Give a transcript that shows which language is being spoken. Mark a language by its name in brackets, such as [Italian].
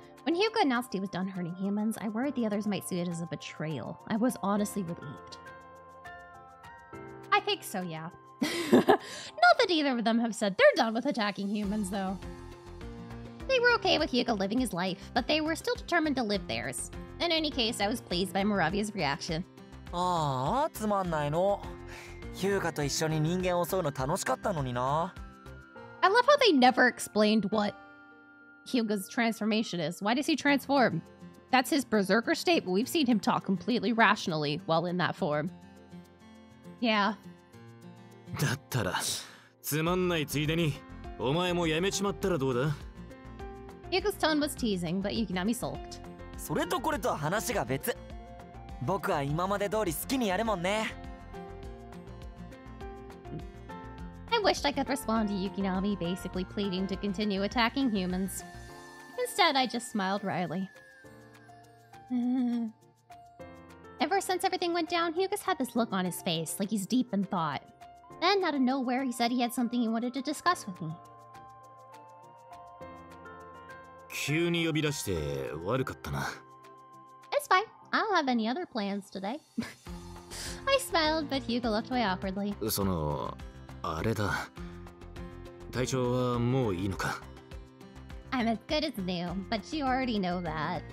[English] When Hyuga announced he was done hurting humans, I worried the others might see it as a betrayal. I was honestly relieved. I think so, yeah. Not that either of them have said they're done with attacking humans, though. They were okay with Hyuga living his life, but they were still determined to live theirs. In any case, I was pleased by Moravia's reaction. [Japanese] ああ、つまんないの。ヒューガと一緒に人間を襲うの楽しかったのにな。 [English] I love how they never explained what Hyuga's transformation is. Why does he transform? That's his berserker state, but we've seen him talk completely rationally while in that form. Yeah. [Japanese] だったら、つまんないついでに、お前もやめちまったらどうだ？ [English] Hyuga's tone was teasing, but Yukinami sulked. [Japanese] それとこれとは話が別。僕は今まで通り好きにやるもんね。 [English] I wished I could respond to Yukinami basically pleading to continue attacking humans. Instead, I just smiled wryly. Ever since everything went down, Hyuga's had this look on his face, like he's deep in thought. Then, out of nowhere, he said he had something he wanted to discuss with me. [Japanese] 急に呼び出して悪かったな。 [English] It's fine. I don't have any other plans today. I smiled, but Hyuga looked away awkwardly. [Japanese] その、あれだ。体調はもういいのか？ [English] I'm as good as new, but you already know that.